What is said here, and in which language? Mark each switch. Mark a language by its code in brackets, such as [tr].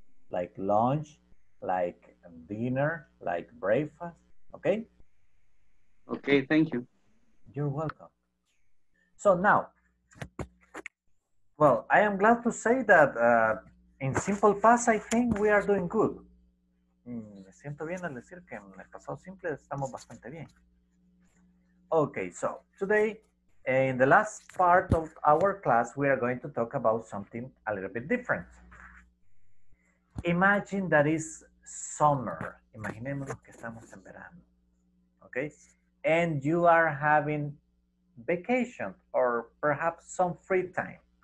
[en] Like lunch, like dinner, like breakfast, okay? Okay, thank you. You're welcome. So now, well, I am glad to say that in simple past, I think we are doing good. [es] Me siento bien al decir que en el pasado simple estamos bastante bien. [en] Okay, so today, in the last part of our class, we are going to talk about something a little bit different. Imagine that is summer. [es] Imaginemos que estamos en verano. [en] Okay? and you are having vacation or perhaps some free time.